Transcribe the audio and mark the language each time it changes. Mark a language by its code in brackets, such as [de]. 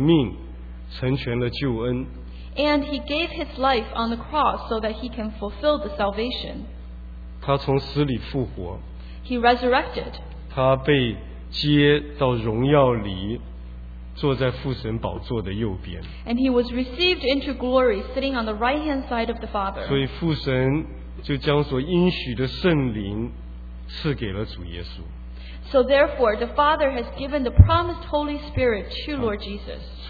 [zh] 并且他在十字架上舍命成全了救恩 [en] And he gave his life on the cross so that he can fulfill the salvation [zh] 他从死里复活 [en] He resurrected [zh] 他被接到荣耀里 坐在父神宝座的右边 [en] And he was received into glory sitting on the right hand side of the Father [zh] 所以父神 就将所应许的圣灵赐给了主耶稣 [en] So therefore, the Father has given the promised Holy Spirit to Lord Jesus